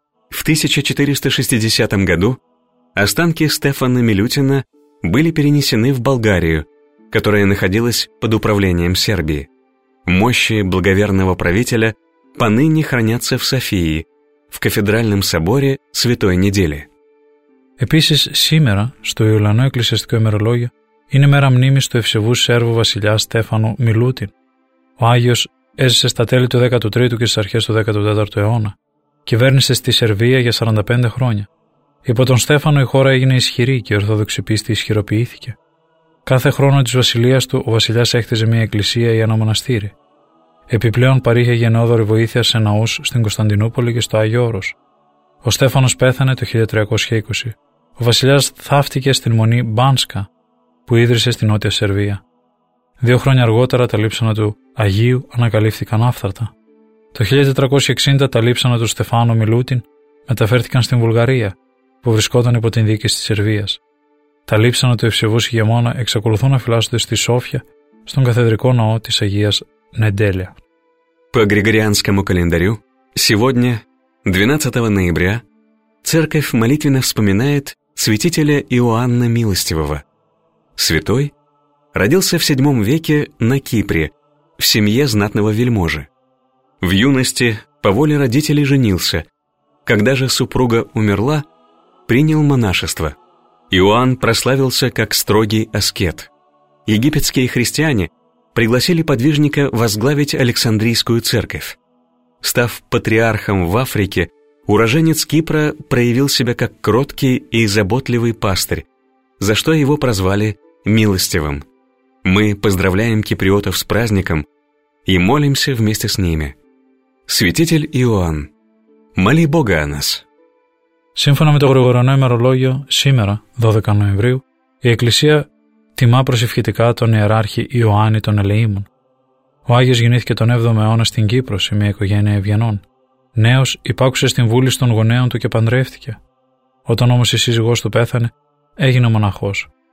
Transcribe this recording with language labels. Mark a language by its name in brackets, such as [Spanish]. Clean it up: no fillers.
[Russian] В 1460 году останки Стефана Милютина были перенесены в Болгарию, которая находилась под управлением Сербии. Мощи благоверного правителя поныне хранятся в Софии, в кафедральном соборе Святой Недели. [Greek] Επίσης, σήμερα, στο Ιουλιανό Εκκλησιαστικό ημερολόγιο, είναι μέρα μνήμης του ευσεβού Σέρβου βασιλιά Στέφανο Μιλούτιν. Ο Άγιος έζησε στα τέλη του 13ου και στις αρχές του 14ου αιώνα. Κυβέρνησε στη Σερβία για 45 χρόνια. Υπό τον Στέφανο η χώρα έγινε ισχυρή και η Ορθόδοξη πίστη ισχυροποιήθηκε. Κάθε χρόνο της βασιλείας του, ο βασιλιάς έχτιζε μια εκκλησία ή ένα μοναστήρι. Επιπλέον, παρήχε γενναιόδωρη βοήθεια σε ναούς στην Κωνσταντινούπολη και στο Άγιο Όρος. Ο Στέφανος πέθανε το 1320. Ο βασιλιάς θαύτηκε στην μονή Μπάνσκα, που ίδρυσε στην Νότια Σερβία. Δύο χρόνια αργότερα τα λείψανα του Αγίου ανακαλύφθηκαν άφθαρτα. Το 1460 τα λείψανα του Στεφάνο Μιλούτιν μεταφέρθηκαν στην Βουλγαρία, που βρισκόταν υπό την διοίκηση της Σερβίας. Τα λείψανα του ευσεβούς ηγεμόνα εξακολουθούν να φυλάσσονται στη Σόφια, στον καθεδρικό ναό της Αγίας Νεντέλια. [Russian] По Григорианскому календарю, сегодня, 12 ноября, церковь молитвенно вспоминает святителя Иоанна Милостивого. Святой родился в VII веке на Кипре, в семье знатного вельможи. В юности по воле родителей женился, когда же супруга умерла, принял монашество. Иоанн прославился как строгий аскет. Египетские христиане пригласили подвижника возглавить Александрийскую церковь. Став патриархом в Африке, уроженец Кипра проявил себя как кроткий и заботливый пастырь, за что его прозвали Милостивым. Мы поздравляем киприотов с праздником и молимся вместе с ними. Святитель Иоанн, моли Бога о нас. [Greek] Σύμφωνα με το Γρηγοριανό ημερολόγιο, σήμερα, 12 Νοεμβρίου, η Εκκλησία τιμά προσευχητικά τον Ιεράρχη Ιωάννη των Ελεήμων. Ο Άγιος γεννήθηκε τον 7ο αιώνα στην Κύπρο σε μια οικογένεια ευγενών. Νέος, υπάκουσε στην βούλη των γονέων του και παντρεύτηκε. Όταν όμως η σύζυγός του πέθανε, έγινε μοναχός.